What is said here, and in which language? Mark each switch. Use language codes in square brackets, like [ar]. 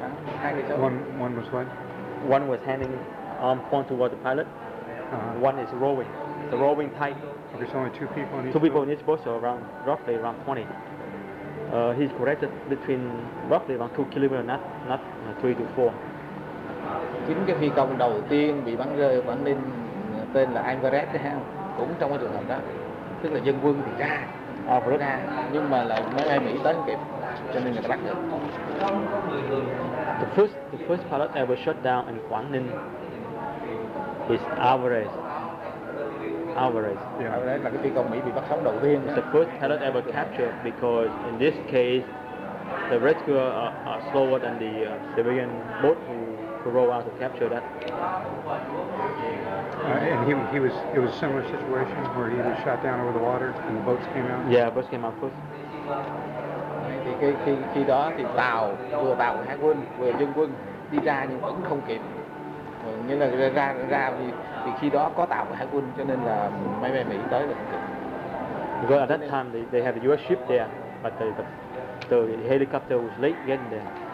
[en] One was what? One was handing arm point toward the pilot. Uh-huh. One is rowing. The rowing type. Okay, so only two people in each boat? Two people in each boat, so roughly around 20. He's corrected between roughly around 2 kilometers, not 3 to 4. [vi] Chính cái phi công đầu tiên bị bắn rơi ở Quảng Ninh tên là Alvarez đấy ha, cũng trong cái trường hợp đó, tức là dân quân thì ra. À, ra, nhưng mà là máy bay Mỹ tới kịp, cho nên người ta bắt được. [en] The first pilot ever shot down in Quảng Ninh is Alvarez. Alvarez. Yeah. [vi] Alvarez là cái phi công Mỹ bị bắt sống đầu tiên. [en] The first pilot ever captured because in this case the rescuer are slower than the civilian boat who Kurosawa to capture that. And it was a similar situation where he was shot down over the water and the boats came out? Yeah, boats came out first. [vi] Thì khi đó thì tàu của Hải quân vừa dân quân đi ra nhưng vẫn không kịp. Nghĩa là ra thì khi đó có tàu của Hải quân cho nên là máy bay Mỹ tới được. [en] Because at that time they had a US ship there, but the helicopter was late getting there.